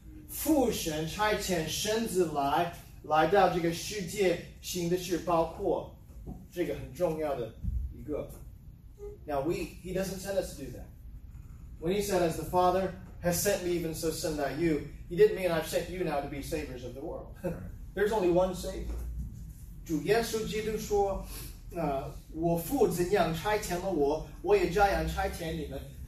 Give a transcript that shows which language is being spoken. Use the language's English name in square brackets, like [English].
[Chinese] 父神差遣神子来到这个世界，行的是包括这个很重要的一个。 [English] Now he doesn't send us to do that. When he said, as the Father has sent me, even so send I you, he didn't mean I've sent you now to be saviors of the world. There's only one Savior. [Chinese] 主耶稣基督说, 我父怎样差遣了我, 我也照样差遣你们,